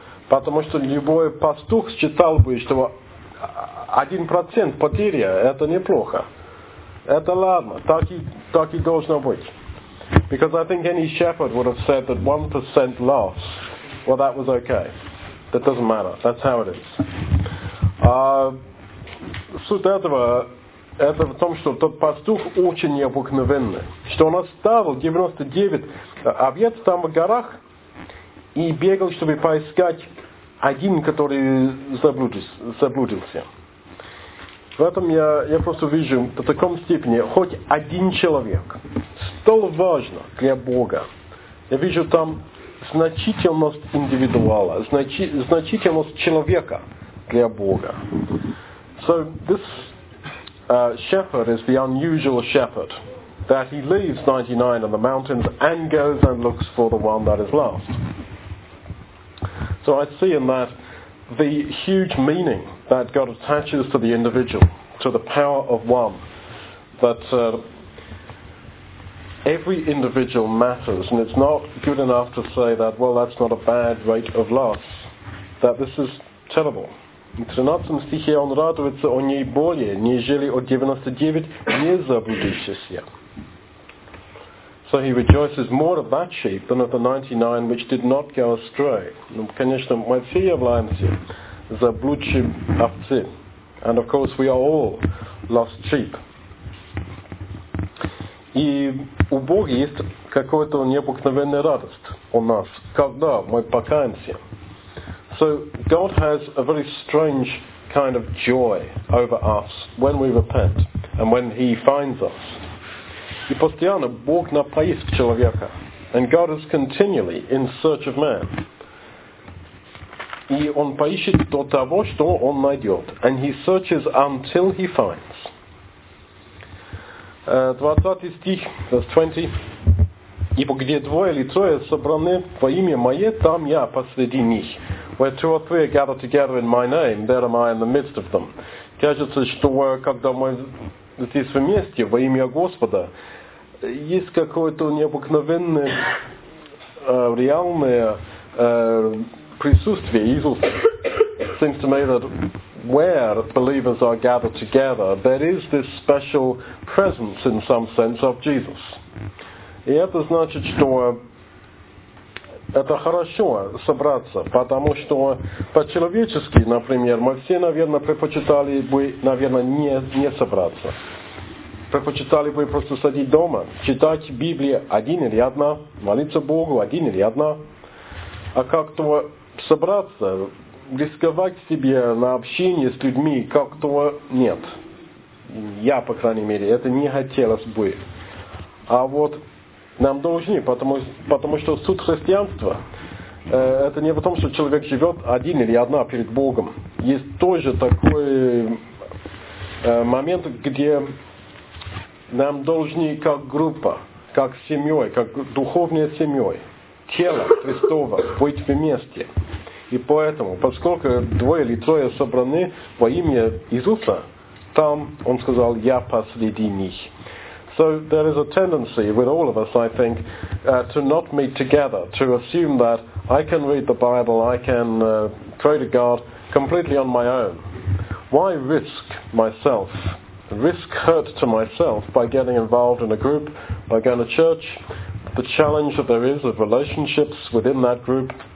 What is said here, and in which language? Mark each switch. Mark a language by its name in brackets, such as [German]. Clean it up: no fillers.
[Russian] Потому что любой пастух считал бы, что 1% потери – это неплохо. Это ладно, так и должно быть. [English] Because I think any shepherd would have said that 1% loss, well, that was okay. That doesn't matter. That's how it is. [Russian] Суть этого, это в том, что тот пастух очень необыкновенный. Что он оставил 99 овец там в горах и бегал, чтобы поискать один, который заблудился. В этом я просто вижу до такой степени, хоть один человек, столь важно для Бога. Я вижу там значительность индивидуала, значительность человека для Бога. [English] So this shepherd is the unusual shepherd, that he leaves 99 in the mountains and goes and looks for the one that is lost. So I see in that the huge meaning that God attaches to the individual, to the power of one, that every individual matters, and it's not good enough to say that, well, that's not a bad rate of loss, that this is terrible. [Russian] В 13 стихе он радуется о ней более, нежели о 99 не заблудившихся. [English] So he rejoices more of that sheep than of the 99 which did not go astray. [Russian] Ну, конечно, мы все являемся заблудшим овцы. [English] And of course we are all lost sheep. [Russian] И у Бога есть какая-то необыкновенная радость у нас, когда мы покаемся. [English] So God has a very strange kind of joy over us when we repent and when he finds us. [Russian] И постоянно Бог на поиск человека. [English] And God is continually in search of man. [Russian] И он поищет до того, что он найдет. [English] And he searches until he finds. [Russian] 20 стих, [English] verse 20. [Russian] Ибо где двое или трое собраны во имя Мое, там я посреди них. [English] Where two or three are gathered together in my name, there am I in the midst of them. [Russian] Кажется, что когда мы здесь вместе во имя Господа, есть какое-то необыкновенное реальное присутствие Иисуса. [English] It seems to me that where believers are gathered together, there is this special presence in some sense of Jesus. [Russian] И это значит, что это хорошо собраться, потому что по-человечески, например, мы все, наверное, предпочитали бы, наверное, не собраться. Предпочитали бы просто сидеть дома, читать Библию один или одна, молиться Богу один или одна. А как-то собраться, рисковать себе на общение с людьми, как-то нет. Я, по крайней мере, это не хотелось бы. А вот нам должны, потому что суть христианства, это не в том, что человек живет один или одна перед Богом. Есть тоже такой момент, где нам должны как группа, как семьей, как духовная семьей, тело Христово, быть вместе. И поэтому, поскольку двое или трое собраны во имя Иисуса, там он сказал, я посреди них. [English] So there is a tendency with all of us, I think, to not meet together, to assume that I can read the Bible, I can pray to God completely on my own. Why risk myself, risk hurt to myself by getting involved in a group, by going to church, the challenge that there is of relationships within that group?